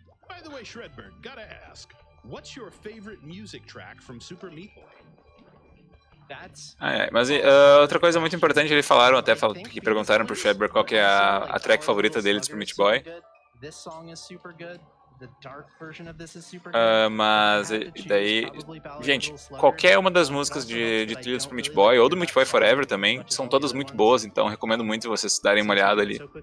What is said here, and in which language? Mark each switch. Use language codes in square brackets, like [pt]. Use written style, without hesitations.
[en] By the way, Shredberg, gotta ask, what's your favorite music track from Super Meat Boy? [pt] Mas outra coisa muito importante, eles falaram até, que perguntaram pro Shredberg qual que é a track favorita dele de Super Meat Boy. [en] This song is super good. The dark version of this is super good. [pt] Mas daí, gente, qualquer uma das músicas de trilha do Super Meat Boy ou do Meat Boy Forever também são todas muito boas, então recomendo muito vocês darem uma olhada ali.